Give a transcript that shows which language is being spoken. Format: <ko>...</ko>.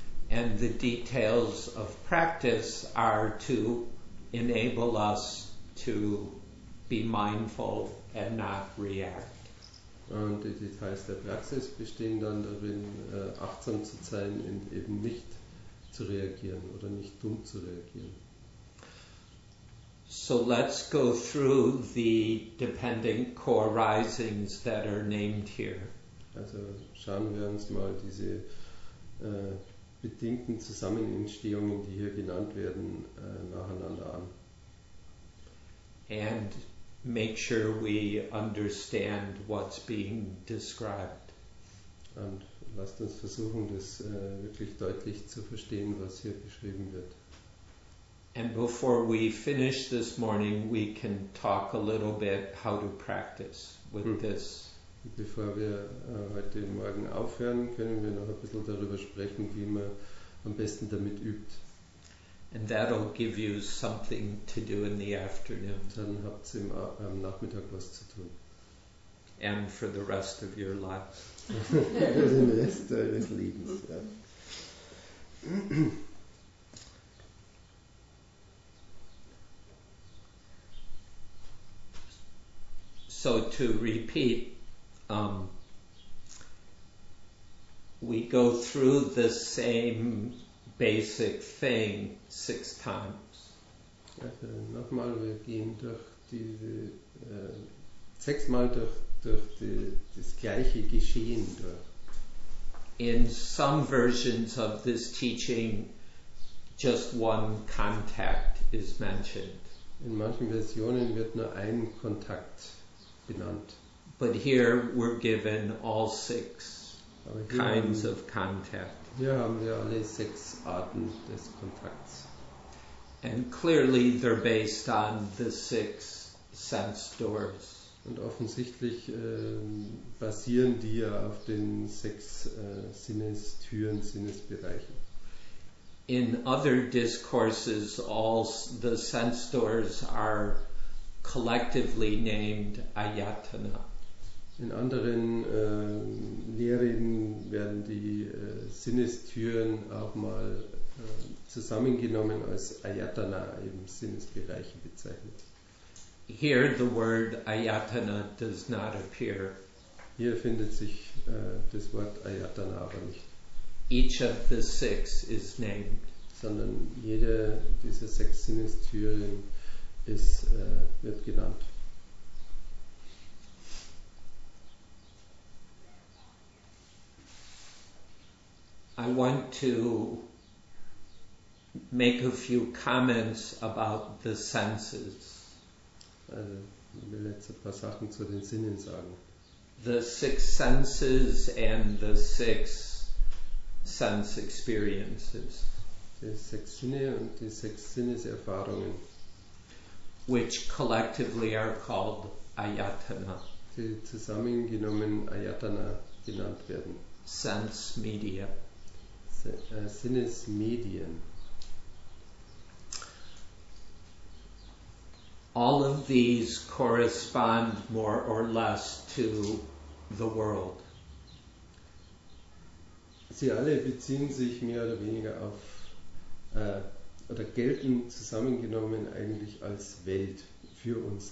<en>And the details of practice are to enable us to be mindful and not react.</en> <de>Und die Details der Praxis bestehen dann darin, achtsam zu sein und eben nicht zu reagieren oder nicht dumm zu reagieren.</de> <en>So let's go through the dependent co-arisings that are named here.</en> <de>Also schauen wir uns mal diese bedingten Zusammenentstehungen, die hier genannt werden, nacheinander an.</de> <en>And make sure we understand what's being described.</en> <de>Und lasst uns versuchen, das wirklich deutlich zu verstehen, was hier beschrieben wird.</de> <en>And before we finish this morning, we can talk a little bit how to practice with this.</en> <de>Bevor wir heute Morgen aufhören, können wir noch ein bisschen darüber sprechen, wie man am besten damit übt.</de> <en>And that'll give you something to do in the afternoon.</en> <de>Dann habt ihr am Nachmittag was zu tun.</de> <en>and for the rest of your life.</en> <de>Für den Rest deines Lebens, ja.</de> <en>So to repeat, we go through the same basic thing 6 times.</en> <de>Also nochmal, wir gehen durch diese 6-mal durch das gleiche Geschehen durch.</de> <en>In some versions of this teaching, just one contact is mentioned.</en> <de>In manchen Versionen wird nur ein Kontakt benannt.</de> <en>But here we're given all 6 kinds of contact.</en> <de>Hier haben wir alle 6 Arten des Kontakts.</de> <en>And clearly they're based on the 6 sense doors.</en> <de>Und offensichtlich basieren die ja auf den 6 Sinnestüren, Sinnesbereichen.</de> <en>In other discourses, all the sense doors are collectively named Ayatana.</en> <de>In anderen Lehren werden die Sinnestüren auch mal zusammengenommen als Ayatana, eben Sinnesbereiche bezeichnet.</de> <en>Here the word Ayatana does not appear.</en> <de>Hier findet sich das Wort Ayatana aber nicht.</de> <en>Each of the 6 is named.</en> <de>Sondern jede dieser 6 Sinnestüren ist, wird genannt.</de> <en>I want to make a few comments about the senses.</en> <de>Also, ich will jetzt ein paar Sachen zu den Sinnen sagen.</de> <en>The 6 senses and the 6 sense experiences.</en> <de>Die 6 Sinne und die 6 Sinneserfahrungen.</de> <en>Which collectively are called Ayatana.</en> <de>Die zusammengenommen Ayatana genannt werden.</de> <en>Sense media.</en> <de>Sinnesmedien.</de> <en>All of these correspond more or less to the world.</en> <de>Sie alle beziehen sich mehr oder weniger auf oder gelten zusammengenommen eigentlich als Welt für uns.</de>